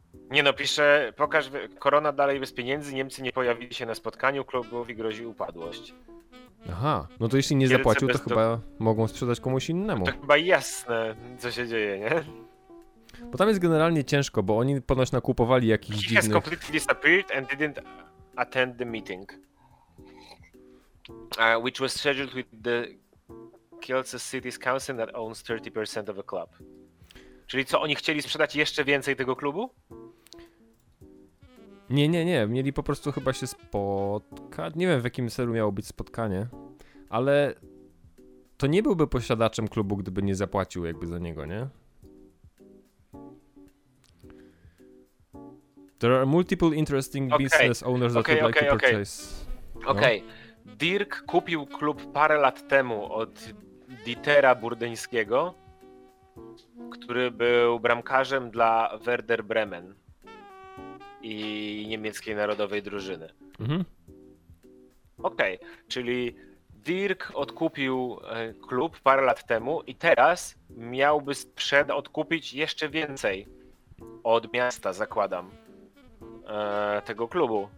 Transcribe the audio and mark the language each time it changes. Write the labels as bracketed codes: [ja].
[pl] Nie no, pisze, pokaż, korona dalej bez pieniędzy, Niemcy nie pojawili się na spotkaniu, klubowi grozi upadłość. Aha, no to jeśli nie Wielce zapłacił, to chyba mogą sprzedać komuś innemu. To chyba jasne, co się dzieje, nie? Bo tam jest generalnie ciężko, bo oni ponoć nakupowali jakichś [en] He [pl] dziwnych... [en] He has completely disappeared and didn't attend the meeting. Which was scheduled with the Kielce City's Council that owns 30% of a club. [pl] Czyli co, oni chcieli sprzedać jeszcze więcej tego klubu? Nie. Mieli po prostu chyba się spotkać. Nie wiem, w jakim celu miało być spotkanie. Ale to nie byłby posiadaczem klubu, gdyby nie zapłacił jakby za niego, nie? [en] There are multiple interesting business owners that would like to purchase. [pl] Okej. Dirk kupił klub parę lat temu od Dietera Burdyńskiego, który był bramkarzem dla Werder Bremen i niemieckiej narodowej drużyny. Mhm. Okej, czyli Dirk odkupił klub parę lat temu i teraz miałby odkupić jeszcze więcej od miasta, zakładam, tego klubu.